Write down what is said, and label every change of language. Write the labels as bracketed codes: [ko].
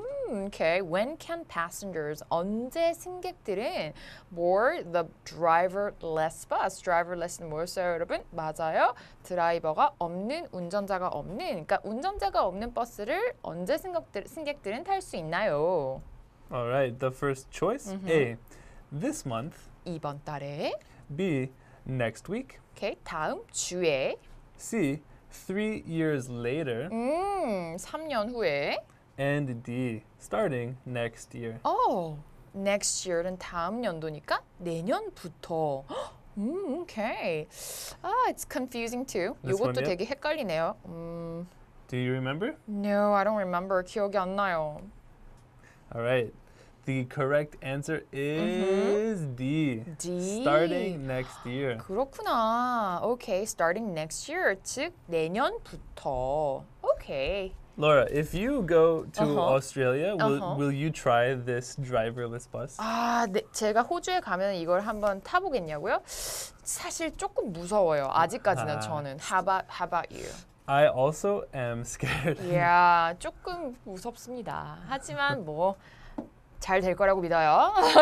[en] Okay, when can passengers, [ko] 언제 승객들은 [en] board the driverless bus? [ko] Driverless는 뭐였어요, 여러분? 맞아요. 드라이버가 없는, 운전자가 없는, 그러니까 운전자가 없는 버스를 언제 승객들은 탈 수 있나요? [en] All right, the first choice, A, this month. [ko] 이번 달에. [en] B, next week. [ko] Okay, 다음 주에. [en] C, 3 years later. [ko] 3년 후에. [en] And D, starting next year. [ko] Oh, [en] next year [ko] 는 다음 연도니까 내년부터. [en] okay. Ah, it's confusing too. This [ko] 이것도 [en] one, [ko] 되게 헷갈리네요. [en] Do you remember? No, I don't remember. [ko] 기억이 안 나요. [en] All right. The correct answer is D. Starting next year. [ko] 그렇구나. [en] Okay, starting next year. [ko] 즉, 내년부터. [en] Okay. Laura, if you go to Australia, will you try this driverless bus? [ko] 아, 네, 제가 호주에 가면 이걸 한번 타보겠냐고요? 사실 조금 무서워요. 아직까지는 저는. [en] How about you? I also am scared. [ko] Yeah, 조금 무섭습니다. 하지만 뭐 잘 될 거라고 믿어요.